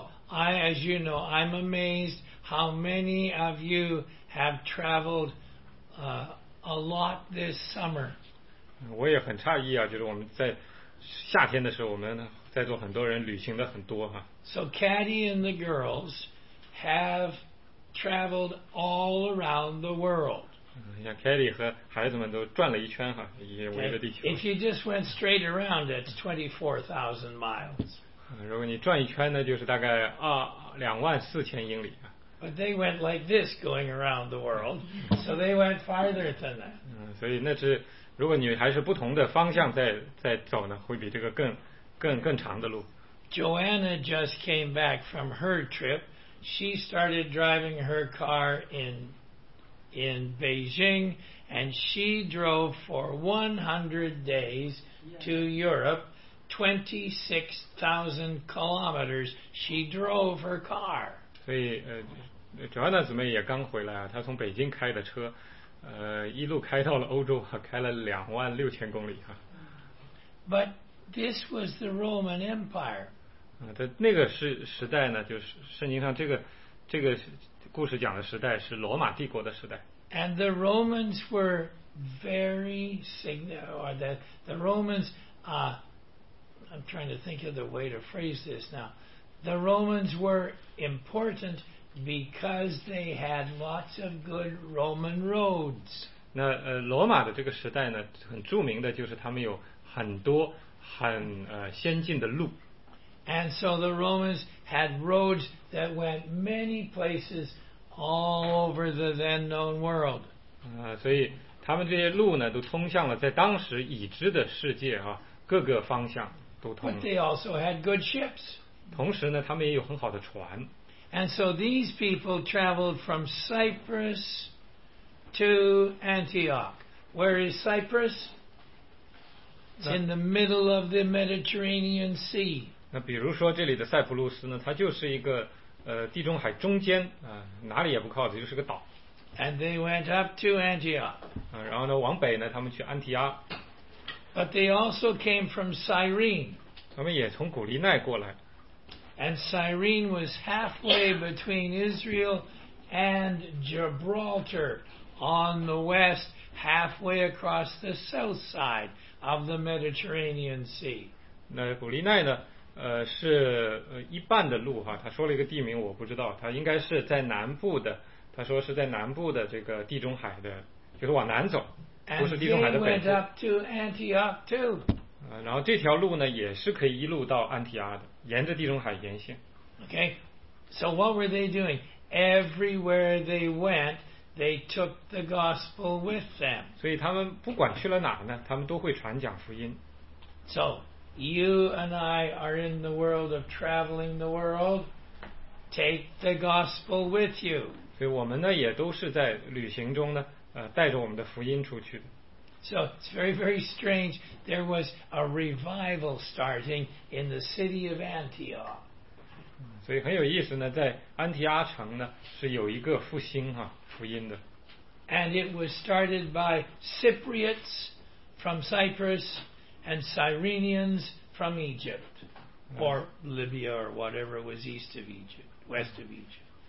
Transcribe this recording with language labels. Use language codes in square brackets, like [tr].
[en] As you know, I'm amazed how many of you have traveled a lot this summer. [zh] 我也很诧异啊，就是我们在夏天的时候，我们在座很多人旅行的很多哈。 [en] So Caddy and the girls have traveled all around the world. [zh] 像 Caddy 和孩子们都转了一圈哈，也围着地球。 [en] If you just went straight around, it's 24,000 miles. [zh] 如果你转一圈呢，就是大概24,000英里。 [en] But they went like this going around the world, so they went farther than that. [zh] 所以那是如果你还是不同的方向在走呢，会比这个更长的路。 [en] Joanna just came back from her trip. She started driving her car in Beijing, and she drove for 100 days to Europe. 26,000 kilometers she drove her car. [zh] 所以Joanna 姊妹也刚回来啊，她从北京开的车，一路开到了欧洲，开了26,000公里啊。 [en] But this was the Roman Empire. [zh] 那个时代呢，就是圣经上这个故事讲的时代是罗马帝国的时代。 [en] And the Romans were very significant, or the Romans, I'm trying to think of the way to phrase this now. The Romans were important because they had lots of good Roman roads. [zh] 那罗马的这个时代呢，很著名的就是他们有很多很先进的路。 [en] And so the Romans had roads that went many places all over the then known world. [zh] 所以他们这些路呢，都通向了在当时已知的世界啊，各个方向都通。 [en] But they also had good ships. [zh] 同时呢，他们也有很好的船。 [en] And so these people traveled from Cyprus to Antioch. Where is Cyprus? It's in the middle of the Mediterranean Sea. [zh] 那比如说这里的塞浦路斯呢，它就是一个地中海中间啊，哪里也不靠，就是个岛。 [en] And they went up to Antioch. [zh] 然后呢，往北呢，他们去安提阿。 [en] But they also came from Cyrene. [zh] 他们也从古利奈过来。 [en] And Cyrene was halfway between Israel and Gibraltar on the west, halfway across the south side of the Mediterranean Sea. [zh] 那古利奈呢？是一半的路哈。他说了一个地名，我不知道。他应该是在南部的。他说是在南部的这个地中海的，就是往南走，不是地中海的北部。 [en] And they went up to Antioch too. [zh] 然后这条路呢，也是可以一路到安提阿的。沿着地中海沿线。 [en] Okay, so what were they doing? Everywhere they went, they took the gospel with them. [zh] 所以他们不管去了哪呢，他们都会传讲福音。 [en] So you and I are in the world of traveling the world. Take the gospel with you. [zh] 所以我们呢也都是在旅行中呢，带着我们的福音出去的。 [en] So it's very, very strange. There was a revival starting in the city of Antioch. [zh] 所以很有意思呢，在安提阿城呢是有一个复兴哈，福音的。 [en] and it was started by Cypriots from Cyprus and Cyrenians from Egypt or Libya or whatever was east of Egypt, west of Egypt.